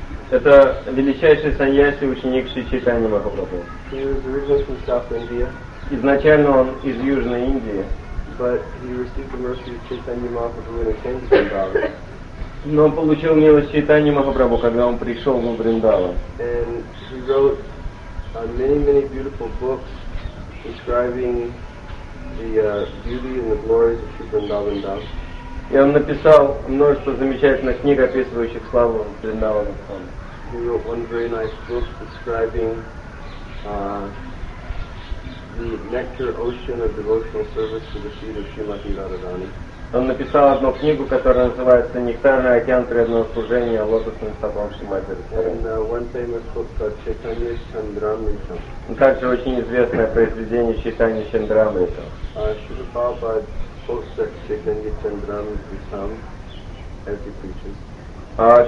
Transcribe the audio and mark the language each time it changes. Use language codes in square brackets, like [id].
[ru] Это величайший саньяси, ученик Шри Чайтанья Махапрабху. [en] He was originally from South India. [ru] Изначально он из Южной Индии. [en] But he received the mercy of Chaitanya Mahaprabhu when he came to Vrindavan. [ru] Но он получил милость Чайтанья Махапрабху, когда он пришел в Вриндаван. [en] And he wrote many beautiful books describing the beauty and the glories of Shri Vrindavan Das. [ru] И он написал множество замечательных книг, описывающих славу Вриндавана. [en] He wrote one very nice book describing the nectar ocean of devotional service to the feet of Srimati Radharani. [ru] Он написал одну книгу, которая называется «Нектарный океан преданного служения лотосным стопам Шримати Радхарани». [en] And one famous book called Chaitanya Chandramritam. [ru] Также очень известное произведение Чайтаньи Чандрамрита. Шрила Прабхупада